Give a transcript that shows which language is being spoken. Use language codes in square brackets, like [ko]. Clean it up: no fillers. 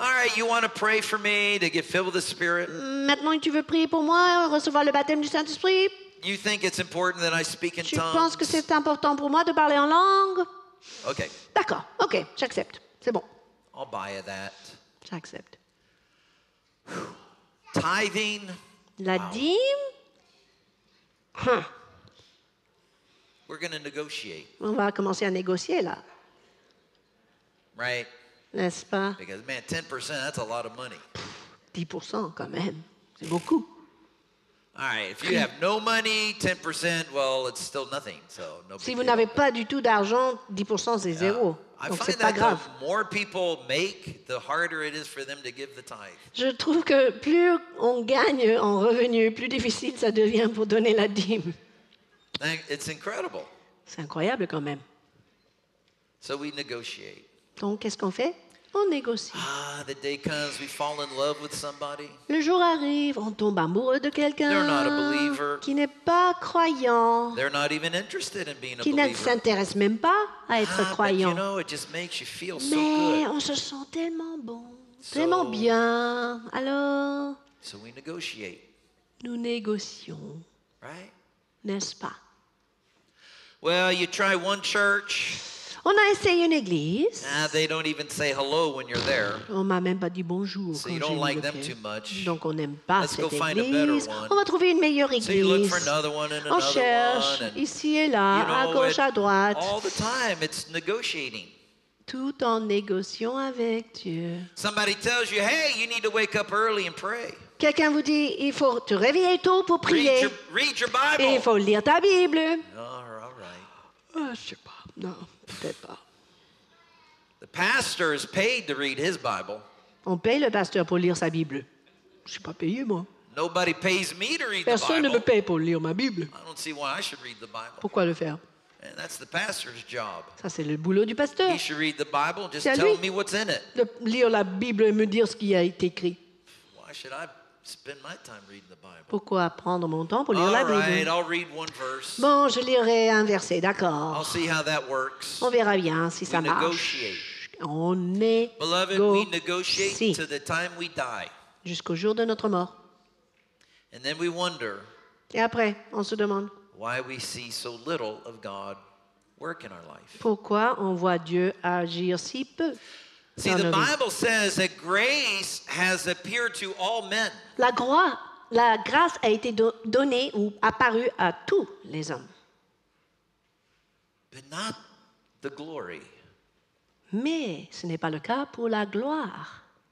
[en] All right, you want to pray for me to get filled with the Spirit? [fr] Maintenant, tu veux prier pour moi, recevoir le baptême du Saint-Esprit? [en] You think it's important that I speak in [fr] tu [en] tongues? [fr] Tu penses que c'est important pour moi de parler en langue? [en] Okay. [fr] D'accord. Okay. J'accepte. C'est bon. [en] I'll buy you that. [fr] J'accepte. [en] Tithing. [fr] La dîme. [en] Huh. We're going to negotiate. [fr] On va commencer à négocier là. [en] Right. [fr] N'est-ce pas? [en] Because man, 10%, that's a lot of money. [fr] 10% quand même. C'est beaucoup. [en] All right, if you have no money, 10%, well, it's still nothing, so no big deal. [fr] Si vous n'avez pas du tout d'argent, 10% c'est zéro. [en] I find that the more people make, the harder it is for them to give the tithe. [fr] Je trouve que plus on gagne en revenus, plus difficile ça devient pour donner la dîme. [en] It's incredible. [fr] C'est incroyable quand même. [en] So we negotiate. [fr] Donc qu'est-ce qu'on fait? On négocie. [en] Ah, the day comes, we fall in love with somebody. [fr] Le jour arrive, on tombe amoureux de quelqu'un. [en] They're not a believer. [fr] Qui n'est pas croyant. [en] They're not even interested in being a [fr] qui [en] believer. [fr] Qui ne s'intéresse même pas à être croyant. [en] But you know, it just makes you feel [fr] mais [en] so good. [fr] On se sent tellement bon, tellement bien. Alors, [en] so we negotiate. [fr] Nous négocions. [en] Right? [fr] N'est-ce pas? [en] Well, you try one church. [fr] On a essayé une église. [en] Nah, they don't even say hello when you're there. [fr] On m'a même pas dit bonjour [en] so [fr] quand [en] you don't [fr] j'ai [en] like them too much. [fr] Donc on n'aime pas [en] Let's [fr] cette [en] go find [fr] église. [en] A better one. [fr] On va trouver une meilleure église. [en] So you look for another one and [fr] on [en] another [fr] cherche [en] one, and [fr] ici et là, à gauche, à droite. [en] All the time it's negotiating. [fr] Tout en négociant avec Dieu. [en] Somebody tells you, hey, you need to wake up early and pray. [fr] Quelqu'un vous dit, il faut te réveiller tôt pour prier. [en] Read your Bible. [fr] Et il faut lire ta Bible. [en] All right. [fr] Je sais pas, non. Peut-être pas. [en] The pastor is paid to read his Bible. [fr] On paye le pasteur pour lire sa Bible. Je suis pas payé moi. [en] Nobody pays me to read [fr] Personne [en] the Bible. [fr] Ne me paye pour lire ma Bible. [en] I don't see why I should read the Bible. [fr] Pourquoi le faire? [en] And that's the pastor's job. [fr] Ça c'est le boulot du pasteur. [en] He should read the Bible and just tell me what's in it. [fr] De lire la Bible et me dire ce qui a été écrit. [en] Why should I spend my time reading the Bible? [fr] Pourquoi prendre mon temps pour [en] All [fr] lire [en] right, [fr] la Bible? [en] I'll read one verse. [fr] Bon, je lirai un verset, d'accord. [en] I'll see how that works. [fr] On verra bien si [en] we [fr] ça marche. [en] Negotiate. [fr] On est [en] Beloved, go- we negotiate [fr] si. [en] To the time we die. [fr] Jusqu'au jour de notre mort. [en] And then we wonder [fr] Et après, on se demande [en] why we see so little of God work in our life. [fr] Pourquoi on voit Dieu agir si peu? [en] See, the Bible says that grace has appeared to all men. [fr] La grâce a été donnée ou apparue à tous les hommes. [en] But not the glory. [fr] Mais ce n'est pas le cas pour la gloire.